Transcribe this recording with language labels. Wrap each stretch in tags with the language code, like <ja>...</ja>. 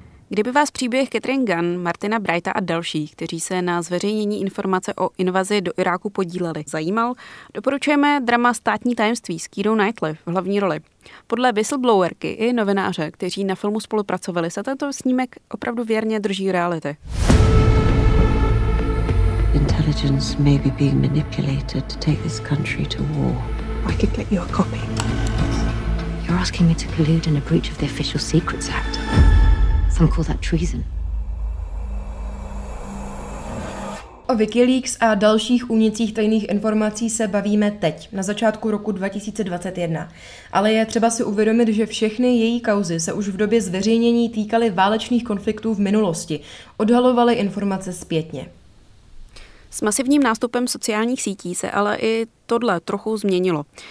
<cs>Kdyby vás příběh Catherine Gunn, Martina Brighta a dalších, kteří se na zveřejnění informace o invazi do Iráku podíleli, zajímal, doporučujeme drama Státní tajemství s Keirou Knightley v hlavní roli. Podle whistleblowerky i novináře, kteří na filmu spolupracovali, se tento snímek opravdu věrně drží reality.</cs> <en>Intelligence may be being manipulated to take this country to war. I could get you a copy. You're asking me to collude in a breach of the Official Secrets Act. Some call that treason.</en> <cs>O WikiLeaks a dalších únicích tajných informací se bavíme teď, na začátku roku 2021. Ale je třeba si uvědomit, že všechny její kauzy se už v době zveřejnění týkaly válečných konfliktů v minulosti. Odhalovaly informace zpětně. S masivním nástupem sociálních sítí se ale i tohle trochu změnilo.</cs>